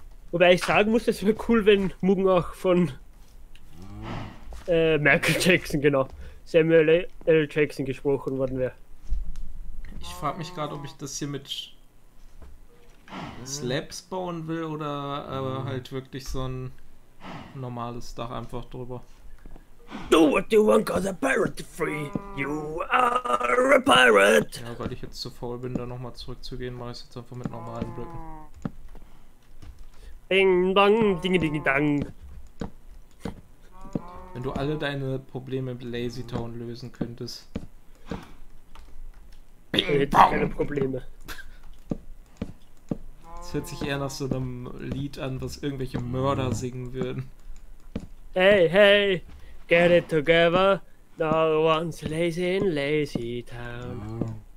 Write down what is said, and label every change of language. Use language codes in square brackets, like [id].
[de] Wobei ich sagen muss, es wäre cool, wenn Mugen auch von Michael Jackson, genau, Samuel L. Jackson gesprochen worden wäre. Ich frage mich gerade, ob ich das hier mit Slabs bauen will oder halt wirklich so ein normales Dach einfach drüber. [en] Do what you want, cause a pirate free. You are a pirate. [de] Ja, weil ich jetzt zu faul bin, da nochmal zurückzugehen, mache ich es jetzt einfach mit normalen Blöcken. Ding dong, ding ding dang. Wenn du alle deine Probleme mit Lazy Town lösen könntest. Bing, jetzt bong. Keine Probleme. Das hört sich eher nach so einem Lied an, was irgendwelche Mörder singen würden. [en] Hey, hey, get it together. No one's lazy in Lazy Town.